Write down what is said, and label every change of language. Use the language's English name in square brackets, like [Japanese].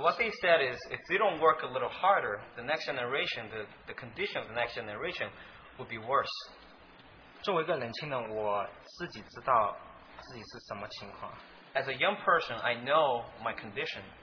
[English] what they said is, if they don't work a little harder, the next generation, the condition of the next generation would be worse. [Chinese] 作为一个年轻人，我自己知道自己是什么情况。 [English] As a young person, I know my condition.